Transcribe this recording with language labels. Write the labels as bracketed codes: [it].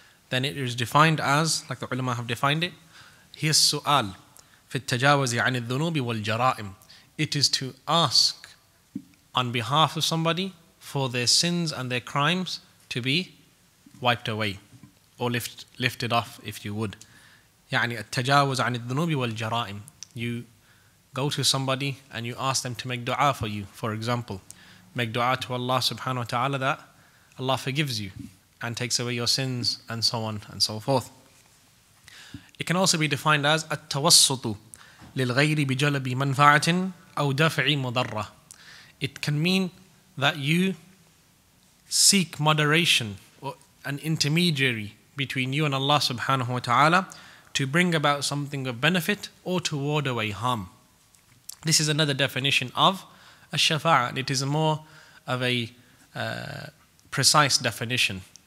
[en] then it is defined as, like the ulama have defined it, هي السؤال في التجاوز عن الذنوب والجرائم. It is to ask on behalf of somebody for their sins and their crimes to be wiped away or lifted off, if you would. [ar] يعني التجاوز عن الذنوب والجرائم. [en] You go to somebody and you ask them to make dua for you, for example. Make dua to Allah subhanahu wa ta'ala that Allah forgives you and takes away your sins and so on and so forth. It can also be defined as التوسط للغير بجلب منفعة أو دفع مضرة. It can mean that you seek moderation or an intermediary between you and Allah subhanahu wa ta'ala to bring about something of benefit or to ward away harm. This is another definition of الشفاعة. It is more of a precise definition.